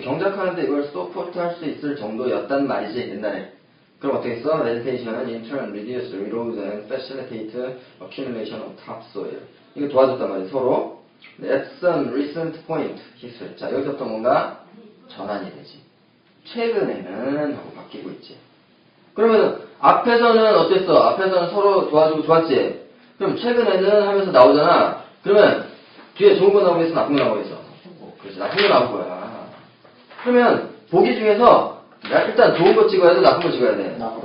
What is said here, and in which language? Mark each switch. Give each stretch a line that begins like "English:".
Korean: 경작하는데 이걸 서포트 할 수 있을 정도였단 말이지, 옛날에. 그럼 어떻게 했어?
English: Vegetation은 in turn reduce erosion and facilitate accumulation of topsoil.
Korean: 이거 도와줬단 말이지, 서로.
English: At some recent point,
Korean: 기술. 자, 여기서부터 뭔가 전환이 되지. 최근에는 하고 바뀌고 있지. 그러면 앞에서는 어땠어? 앞에서는 서로 도와주고 좋았지? 그럼 최근에는 하면서 나오잖아? 그러면 뒤에 좋은 거 나오고 있어, 나쁜 거 나오고 있어? 나쁜 거 나올 거야. 그러면 보기 중에서 일단 좋은 거 찍어야 돼, 나쁜 거 찍어야 돼.